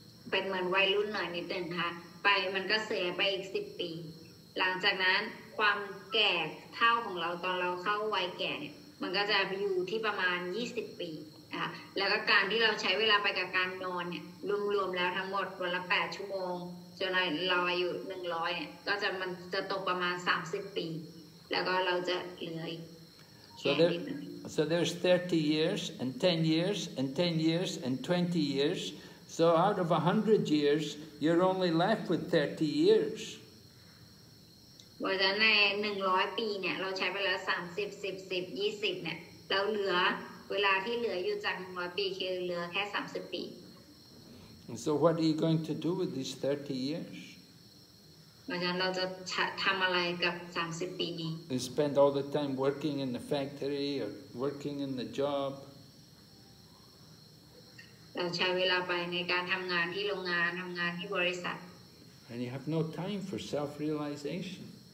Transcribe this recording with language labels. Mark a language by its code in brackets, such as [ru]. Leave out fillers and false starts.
[th] เป็นเหมือนวัยรุ่นหน่อยนิดนึงค่ะไปมันก็เสียไปอีก10ปีหลังจากนั้นความแก่เท่าของเราตอนเราเข้าวัยแก่เนี่ยมันก็จะอยู่ที่ประมาณ20ปีนะคะแล้วก็การที่เราใช้เวลาไปกับการนอนเนี่ยรวมๆแล้วทั้งหมดวันละ8ชั่วโมงจนเราอายุ100เนี่ยก็จะมันจะตกประมาณ30ปีแล้วก็เราจะเหลืออีก [en] So there's 30 years and 10 years and 10 years and 20 years. So out of 100 years, you're only left with 30 years. [th] ว่าในหนึ่งร้อยปีเนี่ยเราใช้ไปแล้ว30 10 10 20เนี่ยเราเหลือเวลาที่เหลืออยู่จากหนึ่งร้อยปีคือเหลือแค่30ปี [en] So what are you going to do with these 30 years? [th] เราจะทำอะไรกับ30ปีนี้ [en] You spend all the time working in the factory or working in the job. [th] เราใช้เวลาไปในการทำงานที่โรงงานทำงานที่บริษัท [en] And you have no time for self-realization.